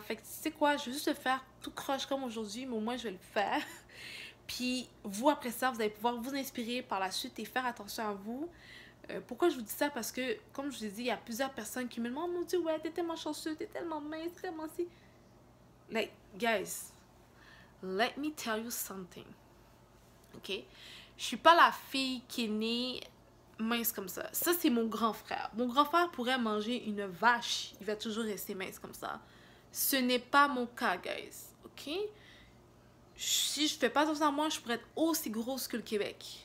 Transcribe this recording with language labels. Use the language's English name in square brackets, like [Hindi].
[French] Fait que tu sais quoi, je vais juste le faire tout croche comme aujourd'hui, mais au moins je vais le faire. Puis vous, après ça, vous allez pouvoir vous inspirer par la suite et faire attention à vous. Pourquoi je vous dis ça? Parce que, comme je vous ai dit, il y a plusieurs personnes qui me demandent, oh mon Dieu, ouais, t'es tellement chanceux, t'es tellement mince, tellement si. [English] Like, guys, let me tell you something. Ok? [French] Je suis pas la fille qui est née mince comme ça. Ça, c'est mon grand frère. Mon grand frère pourrait manger une vache. Il va toujours rester mince comme ça. Ce n'est pas mon cas, guys. OK? Si je fais pas attention à moi, je pourrais être aussi grosse que le Québec.